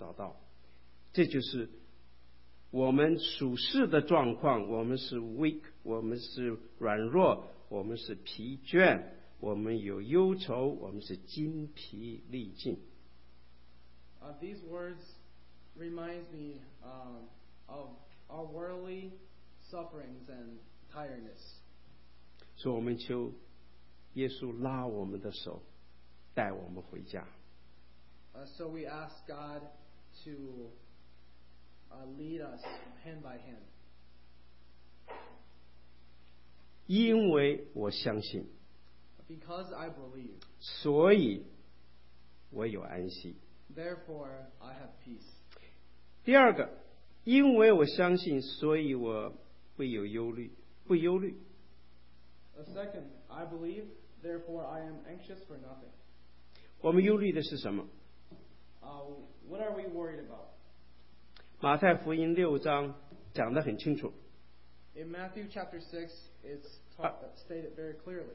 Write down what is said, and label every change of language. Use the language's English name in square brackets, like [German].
[Chinese] 我不晓得，我找不到，本来想找这首诗，没找到。这就是。我们属世的状况, 我们是 weak, 我们是软弱, 我们是疲倦, 我们有忧愁, 我们是筋疲力尽。 [English] These words remind me of our worldly sufferings and tiredness. [Chinese] 所以我们求耶稣拉我们的手, 带我们回家。 [English] So we ask God to lead us hand by hand. [Chinese] 因为我相信, [English] because I believe, [Chinese] 所以我有安息, [English] therefore I have peace. [Chinese] 第二个, 因为我相信, 所以我不忧虑。 [English] A second, I believe, therefore I am anxious for nothing. [Chinese] 我们忧虑的是什么? [English] What are we worried about? [Chinese] 马太福音六章讲得很清楚。 [English] In Matthew chapter 6, it's stated very clearly.